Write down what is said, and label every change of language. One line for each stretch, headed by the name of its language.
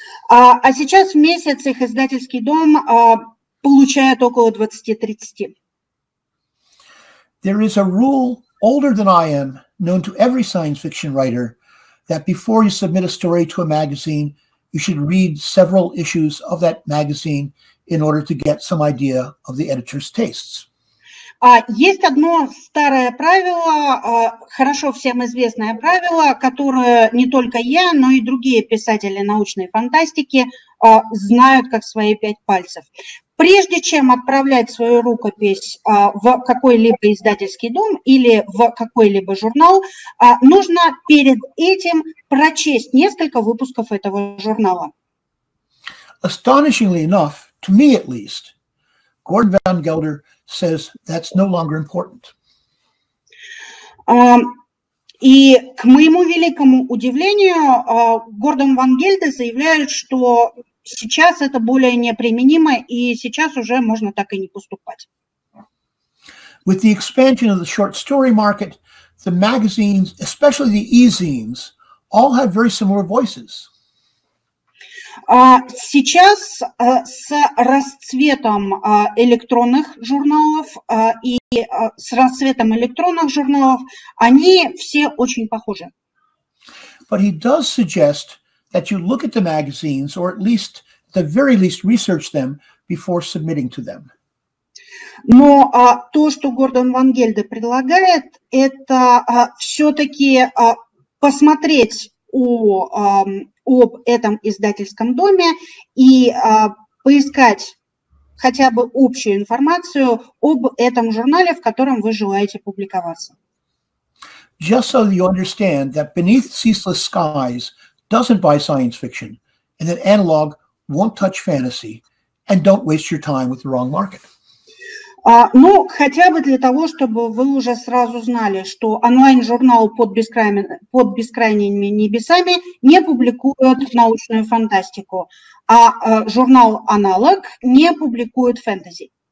Russian: А сейчас в месяц их издательский дом получает около 20-30.
English: There is a rule older than I am, known to every science fiction writer, that before you submit a story to a magazine, you should read several issues of that magazine in order to get some idea of the editor's tastes.
Russian: Есть одно старое правило, хорошо всем известное правило, которое не только я, но и другие писатели научной фантастики знают как свои пять пальцев. Прежде чем отправлять свою рукопись в какой-либо издательский дом или в какой-либо журнал, нужно перед этим прочесть несколько выпусков этого журнала.
English: Astonishingly enough, to me at least, Gordon Van Gelder says that's no longer important.
Russian: И к моему великому удивлению, Гордон Ван Гельде заявляет, что сейчас это более неприменимо, и сейчас уже можно так и не поступать.
English: With the expansion of the short story market, the magazines, especially the e-zines, all have very similar voices.
Russian: Сейчас с расцветом электронных журналов и с расцветом электронных журналов они все очень похожи.
English: But he does suggest that you look at the magazines, or at least at the very least research them before submitting to them.
Russian: Но то, что Гордон Ван Гельде предлагает, это все-таки посмотреть об этом издательском доме и поискать хотя бы общую информацию об этом журнале, в котором вы желаете публиковаться.
English: Just so you understand that Beneath Ceaseless Skies doesn't buy science fiction, and that Analog won't touch fantasy, and don't waste your time with the wrong market.
Russian: Ну, хотя бы для того, чтобы вы уже сразу знали, что онлайн-журнал под бескрайними небесами не публикует научную фантастику, а журнал Аналог не публикует фэнтези.